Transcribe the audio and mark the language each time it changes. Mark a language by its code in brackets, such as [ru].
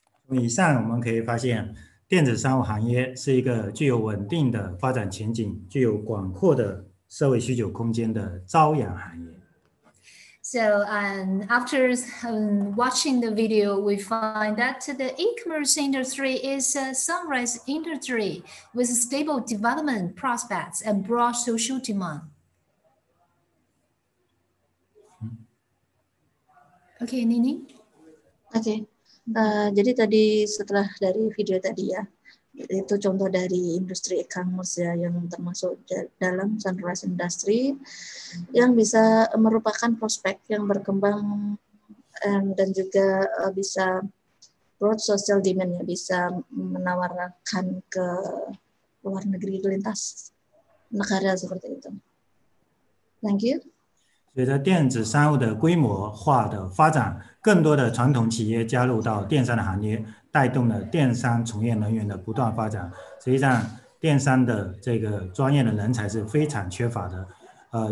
[zh] 以上我们可以发现，电子商务行业是一个具有稳定的发展前景、具有广阔的社会需求空间的朝阳行业。 [en] So after watching the video, we find that the e-commerce industry is a sunrise industry with stable development prospects and broad social demand. Okay, Nini. Okay. [id] Jadi tadi setelah dari video tadi ya, itu contoh dari industri e-commerce ya, yang termasuk dalam [en] sunrise industry [id] yang bisa merupakan prospek yang berkembang dan juga bisa [en] broad social demand [id] ya, bisa menawarkan ke luar negeri lintas negara seperti itu. [en] Thank you. [zh] 随着电子商务的规模化的发展，更多的传统企业加入到电商的行列，带动了电商从业人员的不断发展。实际上，电商的这个专业的人才是非常缺乏的。